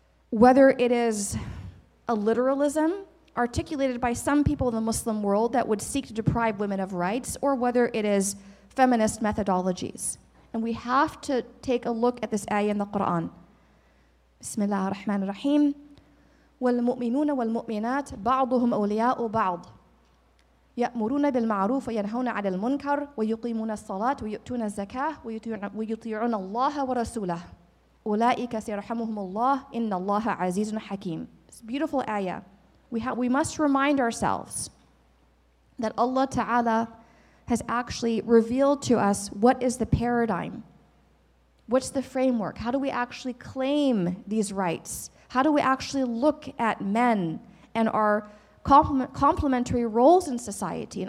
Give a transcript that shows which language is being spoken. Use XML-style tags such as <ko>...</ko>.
<en>Whether it is a literalism articulated by some people in the Muslim world that would seek to deprive women of rights, or whether it is feminist methodologies. And we have to take a look at this ayah in the Quran.</en> <ar>Bismillah ar-Rahman ar-Rahim. والمؤمنون والمؤمنات بعضهم أولياء بعض يأمرون بالمعروف وينهون عن المنكر ويقيمون الصلاة ويؤتون الزكاة ويطيعون الله ورسوله أولئك سيرحمهم الله إن الله عزيز حكيم.</ar> <en>It's a beautiful ayah. We must remind ourselves that Allah Ta'ala has actually revealed to us what is the paradigm, what's the framework, how do we actually claim these rights, how do we actually look at men and our complementary roles in society.</en>